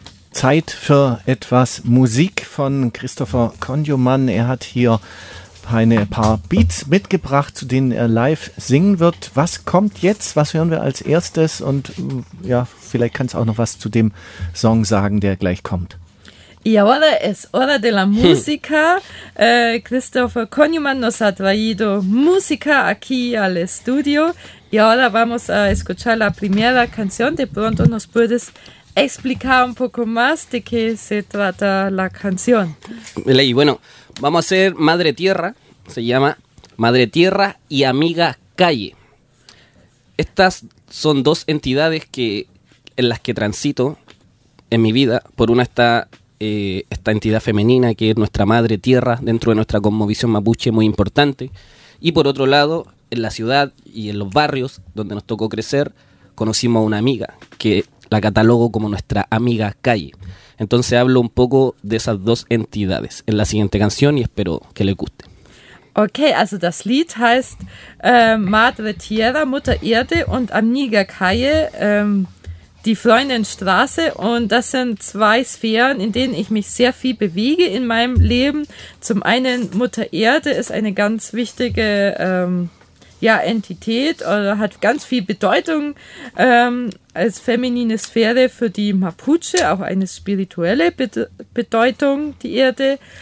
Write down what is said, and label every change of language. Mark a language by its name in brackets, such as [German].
[German] Zeit für etwas Musik von Christopher Konjoman. Er hat hier ein paar Beats mitgebracht, zu denen er live singen wird. Was kommt jetzt? Was hören wir als erstes? Und ja, vielleicht kannst du auch noch was zu dem Song sagen, der gleich kommt. [Spanish] Y ahora es hora de la música. Christopher Konjoman nos ha traído música aquí al estudio. Y ahora vamos a escuchar la primera canción. De pronto nos puedes explicar un poco más de qué se trata la canción. Y bueno, vamos a hacer Madre Tierra, se llama Madre Tierra y Amiga Calle. Estas son dos entidades en las que transito en mi vida. Por una está esta entidad femenina que es nuestra Madre Tierra dentro de nuestra cosmovisión mapuche muy importante. Y por otro lado, en la ciudad y en los barrios donde nos tocó crecer, conocimos a una amiga que la catalogo como nuestra Amiga Calle. Entonces hablo un poco de esas dos entidades en la siguiente canción y espero que le guste. [German] Okay, also das Lied heißt Madre Tierra, Mutter Erde und Amiga Calle, die Freundinstraße. Und das sind zwei Sphären, in denen ich mich sehr viel bewege in meinem Leben. Zum einen Mutter Erde ist eine ganz wichtige Entität oder hat ganz viel Bedeutung als feminine Sphäre für die Mapuche, auch eine spirituelle Bedeutung, die Erde.